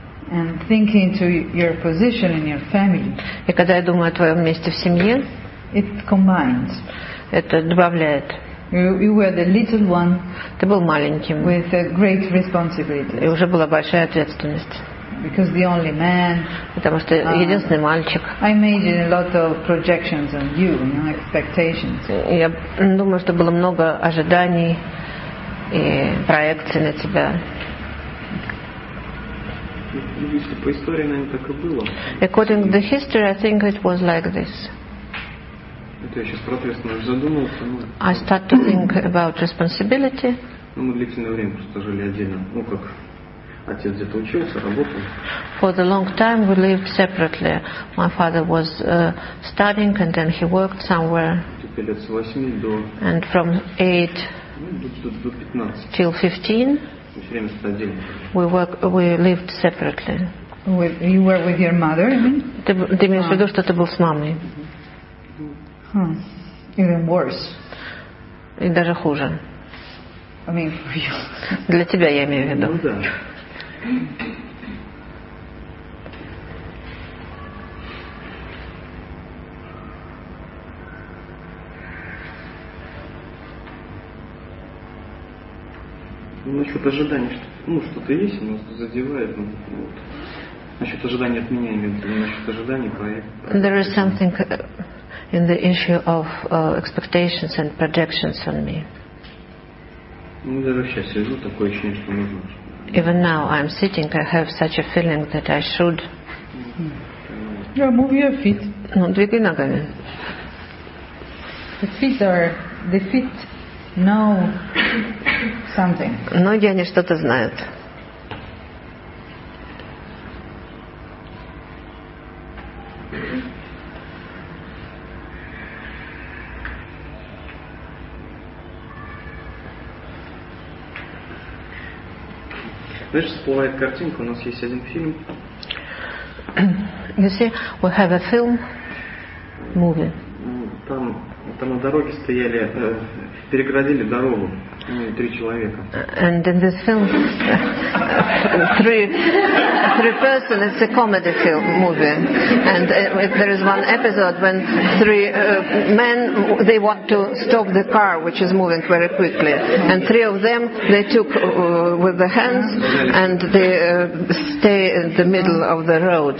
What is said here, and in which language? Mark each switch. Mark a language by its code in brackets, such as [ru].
[en] And thinking to your position in your family, [ru] и когда я думаю о твоем месте в семье, [en] it combines. [ru] Это добавляет. [en] You were the little one, [ru] ты был маленьким, [en] with a great responsibility, [ru] и уже была большая ответственность. [en] Because the only man, [ru] потому что единственный мальчик. [en] I made a lot of projections on you, you know, expectations. [ru] Я думаю, что было много ожиданий и проекций на тебя. Если по истории, наверное, так и было. [en] According to the history, I think it was like this. [ru] Это я сейчас про ответственность задумался. [en] I start to think about responsibility. [ru] Ну, мы длительное время просто жили отдельно. Ну, как... Отец где-то учился, работал. [en] For the long time we lived separately. My father was studying and then he worked somewhere. [ru] Теперь лет с 8 до... [en] And from 8 [ru] до 15. [en] Till 15. [ru] Мы все время стадили. [en] We lived separately. You were with your mother, you mean? [ru] Ты имеешь в виду, что ты был с мамой? [en] Even worse. [ru] И даже хуже. [en] I mean, for you. [ru] Для тебя, я имею в виду. Ну да. Ну, насчет ожиданий, что-то есть, оно задевает, ну, вот. Насчет ожиданий от меня, насчет ожиданий проекта. [en] There is something in the issue of expectations and projections on me. [ru] Ну, даже сейчас сижу, такое ощущение, что нужно. [en] Even now I'm sitting, I have such a feeling that I should. Yeah, move your feet. [ru] Ну, двигай ногами. [en] The feet are, the feet know something. [ru] Ноги, они что-то знают. Знаешь, всплывает картинка, у нас есть один фильм. [en] You see, we have a film, movie. [ru] Там, там на дороге стояли, перегородили дорогу, три человека. [en] And in this film, three persons, it's a comedy film, movie. And there is one episode when three men, they want to stop the car, which is moving very quickly. And three of them, they took with the hands, and they stay in the middle of the road.